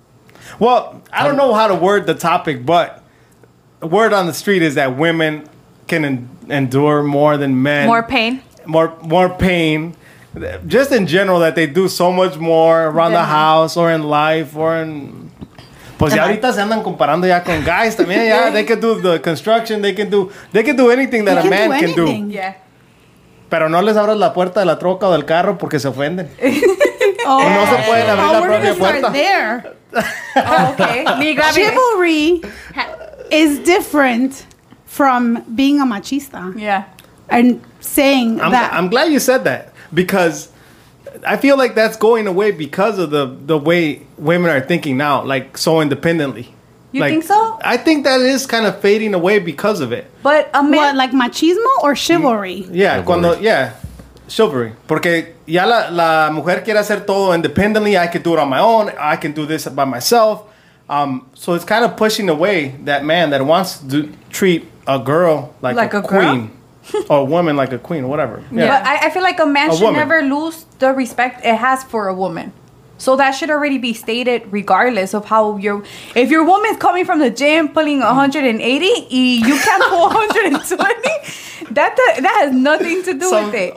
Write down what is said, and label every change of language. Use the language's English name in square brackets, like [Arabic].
[English] I don't know. Well, I don't know how to word the topic, but the word on the street is that women can endure more than men. More pain. More pain. Just in general, that they do so much more around the house or in life or in. [Spanish] Pues ya ahorita se andan comparando ya con guys también. [English] Yeah, yeah, they can do the construction. They can do anything that a man can do. Yeah. [Spanish] Pero no les abras la puerta de la troca o del carro porque se ofenden. [English] Oh, [Spanish] no se pueden abrir la propia puerta. [English] There. Oh, okay. Chivalry is different from being a machista. Yeah. And saying I'm glad you said that. Because I feel like that's going away because of the way women are thinking now, like so independently. You think so? I think that is kind of fading away because of it. But a man, what, like machismo or chivalry? Yeah, chivalry. [Spanish] Porque ya la mujer quiere hacer todo [English] independently. I can do it on my own. I can do this by myself. So it's kind of pushing away that man that wants to treat a girl like a queen. Girl? Or a woman like a queen, whatever. Yeah. But I feel like a man should never lose the respect it has for a woman. So that should already be stated regardless of how you're... If your woman's coming from the gym pulling 180, you can't pull 120, that has nothing to do with it.